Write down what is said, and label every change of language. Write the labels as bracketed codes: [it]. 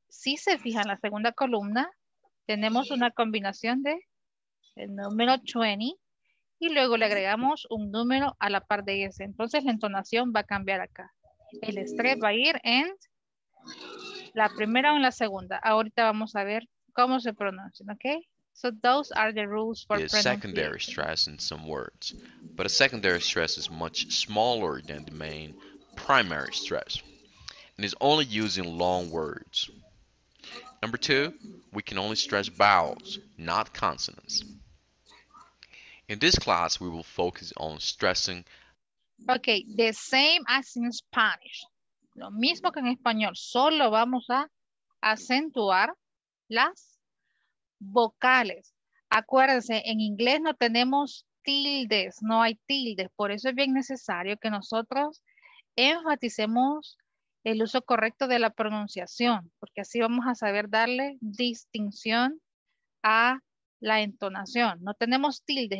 [es] Si se fija en la segunda columna, tenemos una combinación de el número 20, y luego le agregamos un número a la par de ese. Entonces la entonación va a cambiar acá. El estrés va a ir en la primera o en la segunda. Ahorita vamos a ver cómo se pronuncia, ¿ok? [en] So those are the rules for pronunciation. It is secondary stress in some words. But a secondary stress is much smaller than the main primary stress. And is only used in long words. Number two, we can only stress vowels, not consonants. In this class, we will focus on stressing. Okay, the same as in Spanish. [es] Lo mismo que en español, solo vamos a acentuar las vocales. Acuérdense, en inglés no tenemos tildes, no hay tildes. Por eso es bien necesario que nosotros enfaticemos el uso correcto de la pronunciación, porque así vamos a saber darle distinción a la entonación. No tenemos tildes.